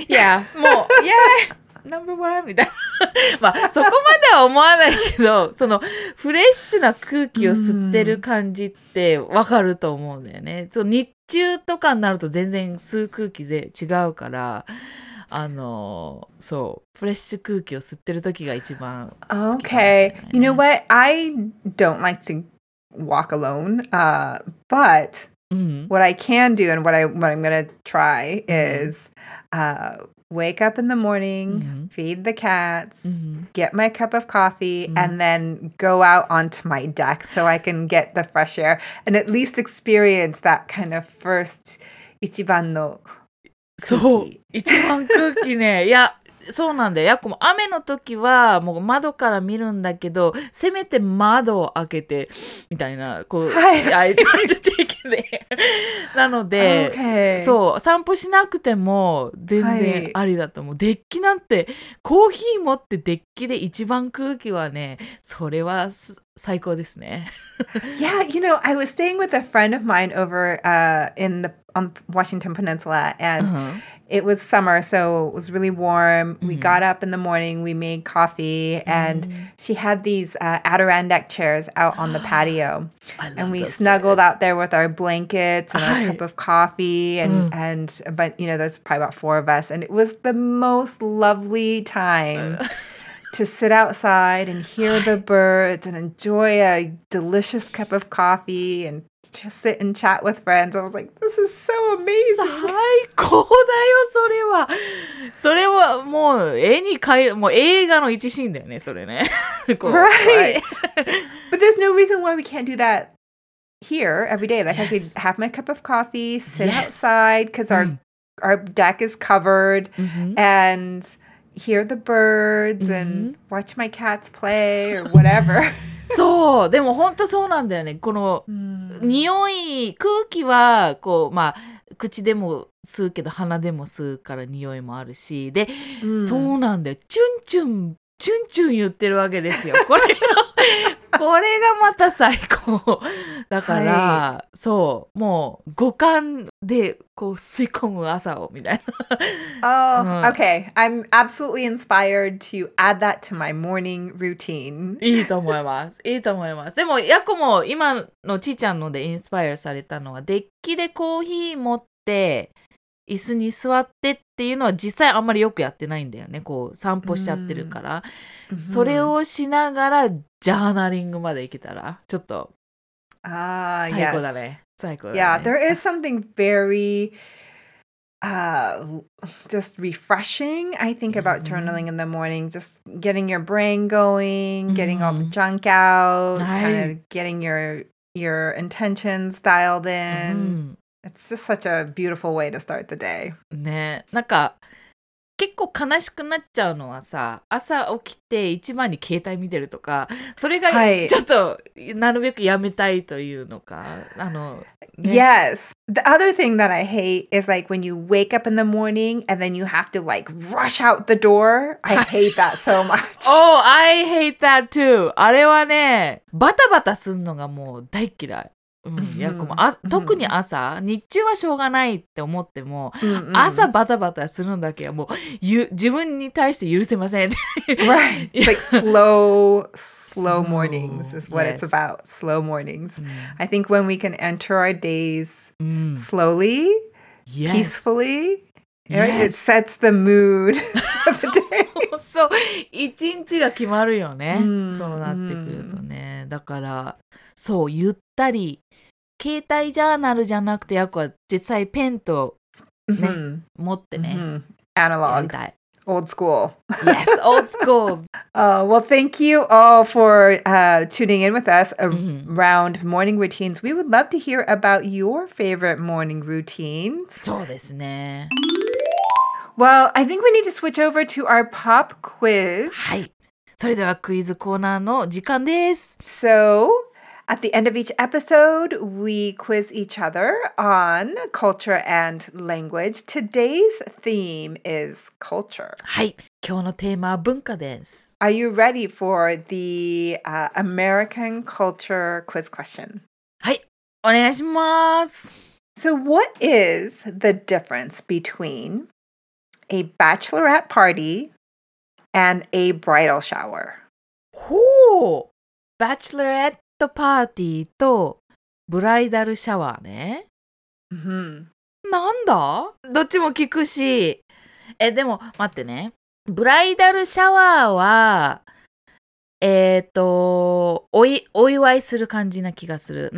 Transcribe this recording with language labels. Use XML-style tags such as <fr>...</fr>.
<ja>Yeah, もう</ja> <en>Yeah, number one</en> <ja>みたいな、まあ、そこまでは思わないけど、そのフレッシュな空気を吸ってる感じってわかると思うんだよね。そう、日中とかになると全然吸う空気で違うから、そう、フレッシュ空気を吸ってる時が一番好きかもしれないね。</ja> <en>Okay. You know what? I don't like to walk alone. But what I can do and what I'm going to try is wake up in the morning, feed the cats, get my cup of coffee, and then go out onto my deck so I can get the fresh air and at least experience that kind of first</en> <ja>一番のそう、一番空気ね。いや、そうなんだよ。やっこも雨の時はもう窓から見るんだけど、せめて窓を開けてみたいな、こう、はい、あ、一番ちっちゃいけど。なので、そう、散歩しなくても全然ありだと思う。デッキなんて、コーヒー持ってデッキで一番空気はね、それは最高ですね。</ja> <en>Yeah, you know, I was staying with a friend of mine over in the on Washington Peninsula and it was summer, so it was really warm. We got up in the morning, we made coffee, and she had these Adirondack chairs out on the patio. I love and we snuggled chairs. out there with our blankets and a cup of coffee, and, and but you know, there's probably about four of us, and it was the most lovely time. To sit outside and hear the birds and enjoy a delicious cup of coffee and just sit and chat with friends. I was like, this is so amazing.</en> <ja>最高だよ、それは。それはもう絵に描いて、もう映画の一シーンだよね、それね。</ja> <en>Right. But there's no reason why we can't do that here every day. Like, yes. I could have my cup of coffee, sit yes. outside because our deck is covered and... hear the birds and watch my cats play or whatever.</en> <ja>そう、でも本当そうなんだよね。この匂い、空気はこう、まあ、口でも吸うけど鼻でも吸うから匂いもあるし、で、そうなんだよ。チュンチュン、チュンチュン言ってるわけですよ。これの、これがまた最高。だから、はい、そう、もう五感でこう吸い込む朝をみたいな。</ja> <en>Oh, okay. I'm absolutely inspired to add that to my morning routine.</en> <ja>いいと思います。いいと思います。でも、やこも今のちーちゃんのでインスパイアされたのは、デッキでコーヒー持って、椅子に座ってっていうのは実際あんまりよくやってないんだよね。こう散歩しちゃってるから、それをしながらジャーナリングまで行けたらちょっと最高だね。最高だね。</ja> <en>Yeah, there is something very just refreshing, I think, about journaling in the morning. Just getting your brain going, getting all the junk out, kind of getting your intentions dialed in. It's just such a beautiful way to start the day.</en> <ja>ね、なんか結構悲しくなっちゃうのはさ、朝起きて一番に携帯見てるとか、それがちょっとなるべくやめたいというのか、あの、ね、</ja> <en>Yes. The other thing that I hate is like when you wake up in the morning and then you have to like rush out the door. I hate that so much. Oh, I hate that too.</en> <ja>あれはね、バタバタするのがもう大嫌い。やっこもあ、特に朝、うん、日中はしょうがないって思っても、うんうん、朝バタバタするんだけど、もう自分に対して許せません。</ja> <en>Right. It's like slow mornings is what、yes. it's about. Slow mornings.、Mm. I think when we can enter our days slowly,、mm. yes. peacefully,、yes. it sets the mood of the day.</en> <ja>そう、一日が決まるよね。 Mm. そうなってくるとね。Mm. だから、そう、ゆったり。携帯ジャーナルじゃなくて、ヤコは実際ペンと、ね mm-hmm. 持ってね。Mm-hmm.</ja> <en>Analog. Old school. Yes, old school. Well, thank you all for tuning in with us around mm-hmm. morning routines. We would love to hear about your favorite morning routines.</en> <ja>そうですね。</ja> <en>Well, I think we need to switch over to our pop quiz.</en> <ja>はい。それではクイズコーナーの時間です。</ja> <en>So... At the end of each episode, we quiz each other on culture and language. Today's theme is culture.</en> <ja>はい、今日のテーマは文化です。</ja> <en>Are you ready for the American culture quiz question?</en> <ja>はい、お願いします。</ja> <en>So what is the difference between a bachelorette party and a bridal shower?</en> <ja>ほう、bachelorette? パーティーとブライダルシャワーね。うん。なんだ？どっちも聞くし。え、でも待ってね。ブライダルシャワーは、お祝いする感じな気がする。</ja>